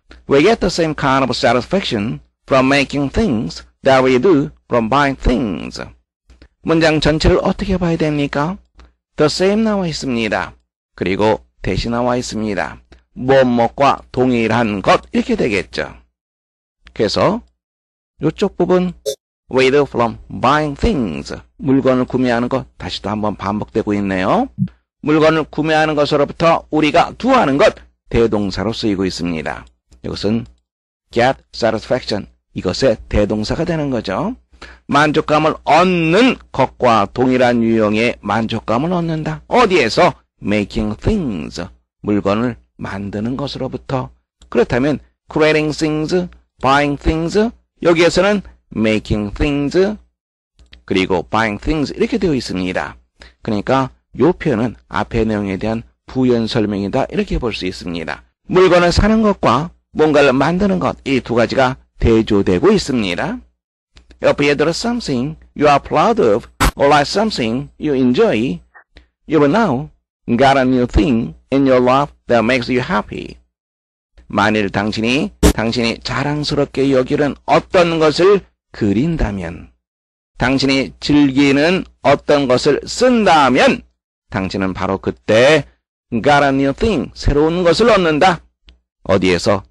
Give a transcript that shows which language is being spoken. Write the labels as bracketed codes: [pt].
[en] We get the same kind of satisfaction from making things that we do from buying things. [ko] 문장 전체를 어떻게 봐야 됩니까? [en] The same [ko] 나와 있습니다. 그리고 대신 나와 있습니다. 무엇과 동일한 것, 이렇게 되겠죠. 그래서 이쪽 부분 [en] we do from buying things, [ko] 물건을 구매하는 것, 다시 또 한번 반복되고 있네요. 물건을 구매하는 것으로부터 우리가 do 하는 것, 대동사로 쓰이고 있습니다. 이것은 get satisfaction, 이것의 대동사가 되는 거죠. 만족감을 얻는 것과 동일한 유형의 만족감을 얻는다. 어디에서? making things, 물건을 만드는 것으로부터. 그렇다면 creating things, buying things, 여기에서는 making things, 그리고 buying things, 이렇게 되어 있습니다. 그러니까 요 표현은 앞의 내용에 대한 부연 설명이다, 이렇게 볼 수 있습니다. 물건을 사는 것과 뭔가를 만드는 것, 이 두 가지가 대조되고 있습니다. [en] If you do something you are proud of or like something you enjoy, you will now got a new thing in your life that makes you happy. [ko] 만일 당신이 자랑스럽게 여기는 어떤 것을 그린다면, 당신이 즐기는 어떤 것을 쓴다면, 당신은 바로 그때 [en] got a new thing, [ko] 새로운 것을 얻는다. 어디에서?